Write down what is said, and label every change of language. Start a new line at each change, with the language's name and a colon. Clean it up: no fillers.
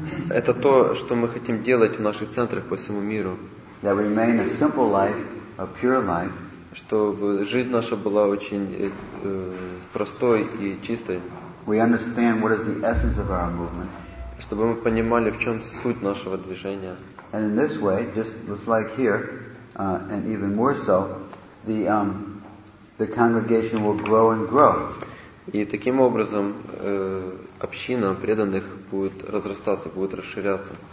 Russian: Это то, что мы хотим делать в наших центрах по всему миру.
English: That we remain a simple life, a pure life.
Russian: Чтобы жизнь наша была очень простой и чистой.
English: We understand what is the essence of our movement.
Russian: Чтобы мы понимали, в чем суть нашего движения.
English: And in this way, just like here, and even more so, the congregation will grow and grow.
Russian: И таким образом община преданных будет разрастаться, будет расширяться.